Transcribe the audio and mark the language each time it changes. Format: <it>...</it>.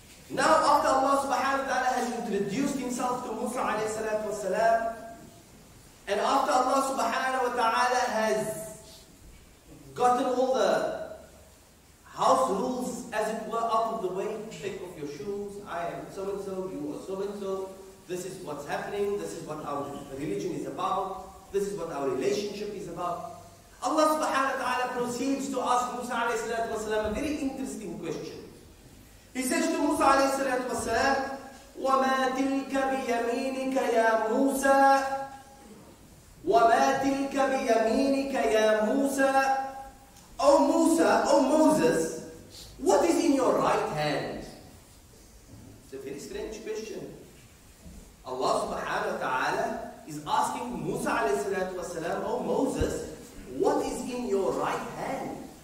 <en>Now, after Allah subhanahu wa ta'ala has introduced himself to Musa alayhi salatu wasalam, and after Allah subhanahu wa ta'ala has gotten all the house rules, as it were, out of the way, take off your shoes, I am so and so, you are so and so, this is what's happening, this is what our religion is about, this is what our relationship is about, Allah subhanahu wa ta'ala proceeds to ask Musa alayhi salatu wasalam a very interesting question. He says to Musa alayhi salatu wasalam,</en> <ar>وَمَا تِلْكَ بِيَمِينِكَ يَا مُوسَى</ar> <en>وَمَا تِلْكَ بِيَمِينِكَ يَا مُوسَى. O Musa, O Moses, what is in your right hand? It's a very strange question. Allah subhanahu wa ta'ala is asking Musa alayhi salatu wasalam, O Moses, what is in your right hand?</en>